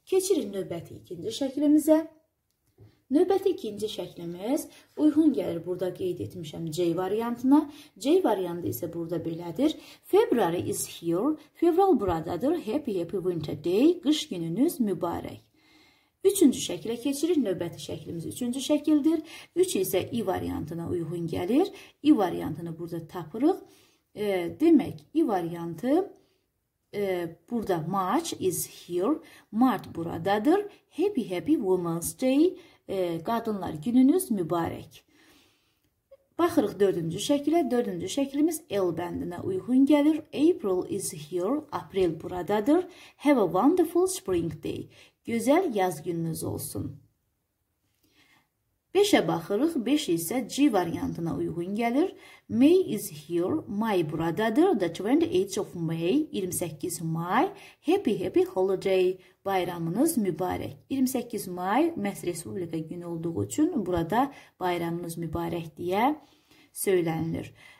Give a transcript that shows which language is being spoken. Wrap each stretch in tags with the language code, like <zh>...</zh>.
<az>Keçirin növbəti ikinci şəklimizə. Növbəti ikinci şəklimiz uyğun gəlir burada qeyd etmişəm C variantına. C variantı isə burada belədir.</az> <en>February is here,</en> <az>fevral buradadır.</az> <en>Happy, happy Winter Day,</en> <az>qış gününüz mübarək. Üçüncü şəkilə keçirik. Növbəti şəklimiz üçüncü şəkildir. Üç isə I variantına uyğun gəlir. I variantını burada tapırıq. Demək, I variantı burada</az> <en>March is here.</en> <az>Mart buradadır.</az> <en>Happy, happy Women's Day.</en> <az>Qadınlar gününüz mübarək. Baxırıq dördüncü şəkilə. Dördüncü şəkilimiz L bəndinə uyğun gəlir.</az> <en>April is here.</en> <az>April buradadır.</az> <en>Have a wonderful spring day.</en> <az>Gözəl yaz gününüz olsun. 5-ə baxırıq. 5 isə C variantına uyğun gəlir.</az> <en>May is here.</en> <az>May buradadır.</az> <en>The 28th of May. 28 May. Happy, happy holiday.</en> <az>Bayramınız mübarək. 28 May Məhz Respublika günü olduğu üçün burada bayramınız mübarək deyə söylənilir.</az>